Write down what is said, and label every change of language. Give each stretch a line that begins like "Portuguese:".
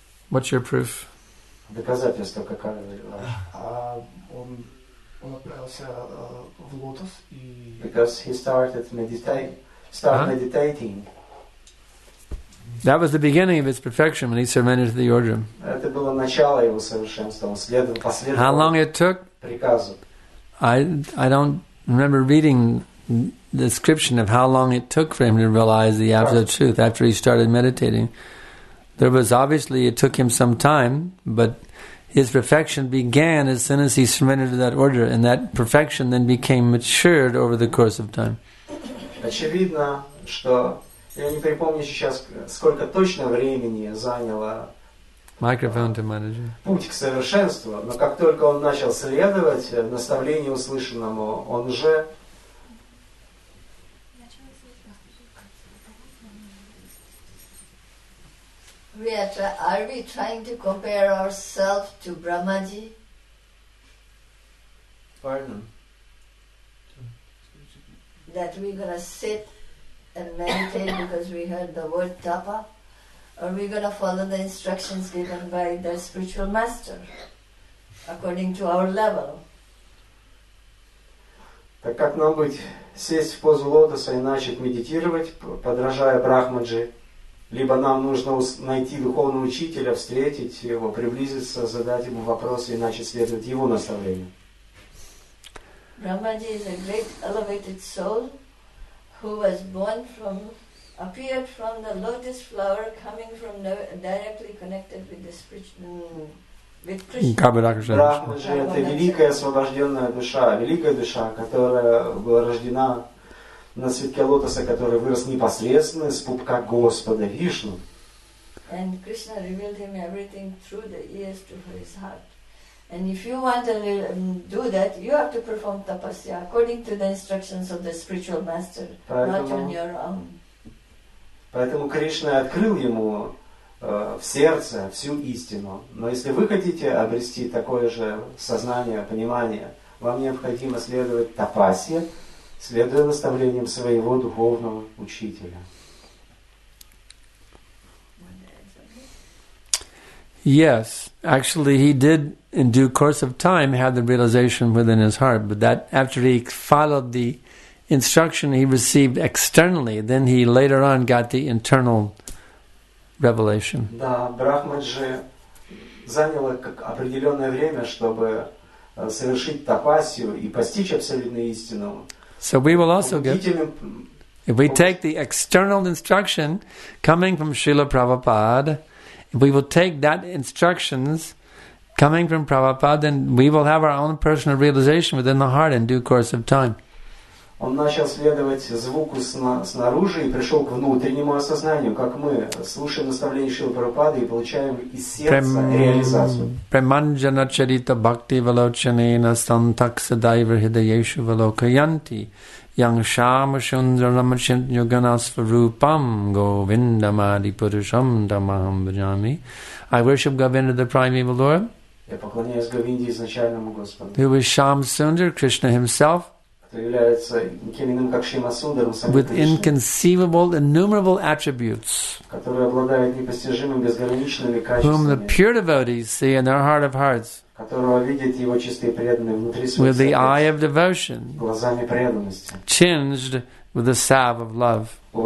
English: What's your proof?
Russian: Доказательство какое? Он отправился в лотос и.
English: Because he started meditating. That was the beginning of his perfection when he surrendered to the order.
Russian: Это было начало его совершенства. Он следовал последовательно.
English: How long it took?
Russian: Приказу.
English: I don't remember reading the description of how long it took for him to realize the absolute truth after he started meditating. There was obviously, it took him some time, but his perfection began as soon as he surrendered to that order, and that perfection then became matured over the course of time.
Russian: Очевидно, что я не припомню сейчас, сколько точно времени заняло
English: microphone to manager.
Russian: Путь к совершенству, но как только он начал следовать наставлению услышанному, он уже...
English: Are we trying to compare ourselves to Brahmaji? Pardon? That we're going to sit and meditate because we heard the word tapa? Or we're going to follow the instructions given by the spiritual master according to our level?
Russian: Так как нам быть сесть в позу лотоса и начать медитировать, подражая Брахмаджи? Либо нам нужно найти духовного учителя, встретить его, приблизиться, задать ему вопросы и начать следовать его наставлению.
English: Brahmaji is a great elevated soul who was appeared from the lotus flower coming from directly connected with the spiritual, with Krishna.
Russian: Brahmaji – это великая освобожденная душа, великая душа, которая была рождена на цветке лотоса, который вырос непосредственно из пупка Господа Вишну.
English: And Krishna revealed him everything through the ears to his heart. And if you want to do that, you have to perform tapasya according to the instructions of the spiritual master, not on your own.
Russian: Поэтому Кришна открыл ему в сердце всю истину. Но если вы хотите обрести такое же сознание, понимание, вам необходимо следовать тапасе, следуя наставлениям своего духовного учителя.
English: Yes, actually he did in due course of time have the realization within his heart, but that after he followed the instruction he received externally, then he later on got the internal revelation.
Russian: Да, Брахмаджи заняло как определенное время, чтобы совершить тапасию и постичь абсолютную истину.
English: So we will also get, if we take the external instruction coming from Srila Prabhupada, if we will take that instructions coming from Prabhupada, then we will have our own personal realization within the heart in due course of time.
Russian: Он начал следовать звуку снаружи и пришел к внутреннему осознанию, как мы слушаем наставления Шрилы Прабхупады и получаем из сердца реализацию.
Sanskrit: Преманджана чарита бхакти валочанена сантакса дайвар хидаешу валокаянти янг шама шундра намачин йоганасва рупам говинда мади пурушам дамахам бриджами.
English: I worship Govinda, the primeval Lord.
Russian: Я поклоняюсь Говинде, изначальному Господу.
English: Who is Shyam Sundar, Krishna himself. With inconceivable, innumerable attributes, whom the pure devotees see in their heart of hearts, with the eye of devotion, tinged with the salve of love.